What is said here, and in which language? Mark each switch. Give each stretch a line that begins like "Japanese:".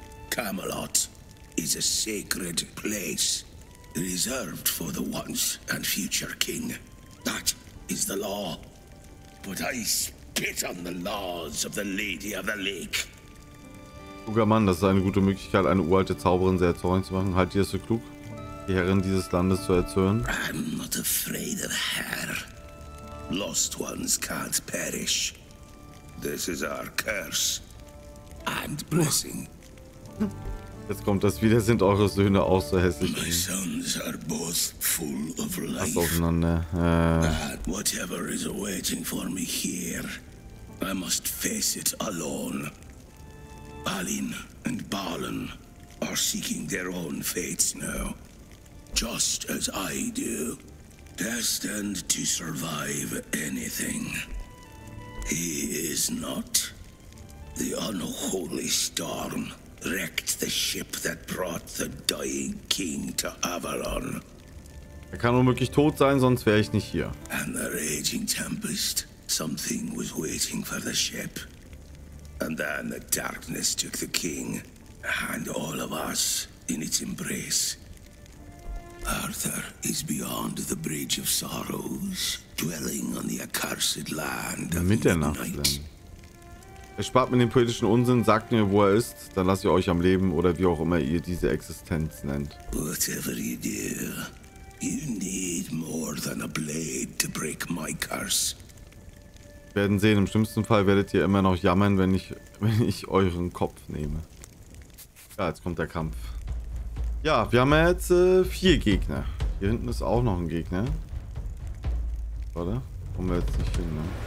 English: Camelot is a sacred place reserved for the once and future king. That is the law. But I spit on the laws of the Lady of the Lake.
German: Kluger Mann, das ist eine gute Möglichkeit, eine uralte Zauberin sehr zornig zu machen. Halt ihr es so klug, die Herrin dieses Landes zu erzürnen?
English: I'm not afraid of her. Lost ones can't perish. This is our curse and blessing.
German: Jetzt kommt das wieder, sind eure Söhne auch so hässlich?
English: My sons are both full of life.
German: Pass aufeinander.
English: Whatever is awaiting for me here, I must face it alone. Balin and Balan are seeking their own fates now. Just as I do. Destined to survive anything. He is not. The unholy storm wrecked the ship that brought the dying king to Avalon.
German: Er kann unmöglich tot sein, sonst wäre ich nicht hier.
English: And the raging tempest, something was waiting for the ship. And then the darkness took the king and all of us in its embrace. Arthur is beyond the Bridge of Sorrows, dwelling on the accursed land of Midnight.
German: Erspart mir den politischen Unsinn, sagt mir, wo er ist, dann lasse ich euch am Leben oder wie auch immer ihr diese Existenz nennt.
English: Whatever you do, you need more than a blade to break my curse.
German: Wir werden sehen, im schlimmsten Fall werdet ihr immer noch jammern, wenn ich euren Kopf nehme. Ja, jetzt kommt der Kampf. Ja, wir haben jetzt 4 Gegner. Hier hinten ist auch noch ein Gegner. Warte, kommen wir jetzt nicht hin, ne?